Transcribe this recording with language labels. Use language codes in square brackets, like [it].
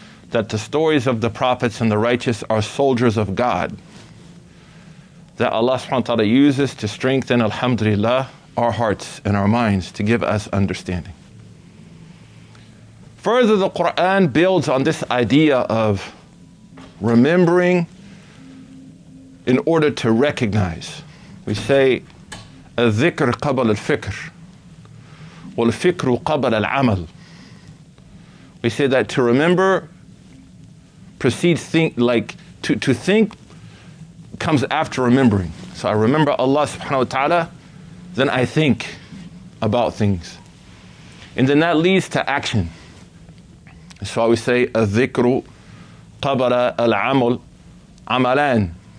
[en] That the stories of the prophets and the righteous are soldiers of God, that Allah subhanahu wa ta'ala uses to strengthen, alhamdulillah, our hearts and our minds, to give us understanding. Further, the Qur'an builds on this idea of remembering in order to recognize. [ar] We say, الذكر قبل الفكر والفكر قبل العمل. [en] We say that to remember precedes think, like to think comes after remembering. So I remember Allah subhanahu wa ta'ala, then I think about things. And then that leads to action. So I would say, الذكر قبل العمل عملان.